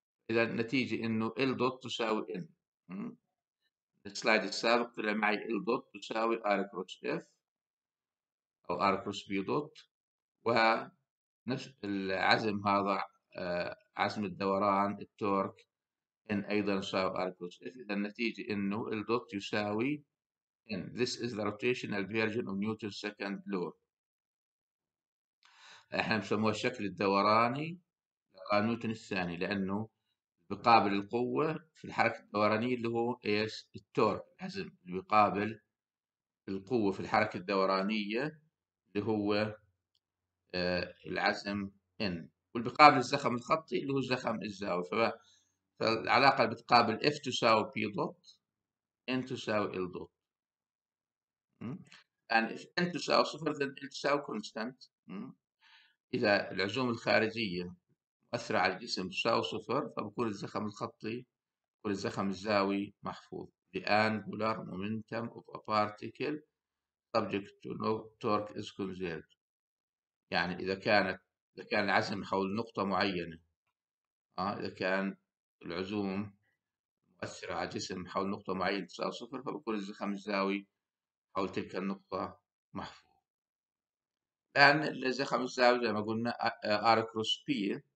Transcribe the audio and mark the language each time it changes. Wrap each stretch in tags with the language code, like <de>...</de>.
<ar>اذا النتيجة انه ال دوت تساوي ان. السلايد السابق طلع معي ال دوت تساوي ار كروس اف او ار كروس بي دوت، ونفس العزم هذا عزم الدوران التورك ان ايضا يساوي ار كروس اف. اذا النتيجة انه ال دوت يساوي ان.</ar> <en>This is the rotational version of Newton's second law.</en> <ar>احنا بنسموها الشكل الدوراني لقانون نيوتن الثاني، لانه بيقابل القوة في الحركة الدورانية اللي هو ايش؟ التورك، العزم اللي بيقابل القوة في الحركة الدورانية اللي هو العزم ان، واللي بيقابل الزخم الخطي اللي هو زخم الزاوية. فالعلاقة اللي بتقابل اف تساوي بي دوت، ان تساوي ال دوت. يعني اف ان تساوي صفر ذن ان تساوي كونستانت. إذا العزوم الخارجية مؤثرة على الجسم تساوي صفر، فبكون الزخم الخطي بكون الزخم الزاوي محفوظ.</ar> <en>The angular momentum of a particle subject to no torque is conserved.</en> <ar>يعني إذا كان العزم حول نقطة معينة، إذا كان العزوم مؤثرة على الجسم حول نقطة معينة تساوي صفر، فبكون الزخم الزاوي حول تلك النقطة محفوظ. الآن الزخم الزاوي زي ما قلنا R كروس P.</ar>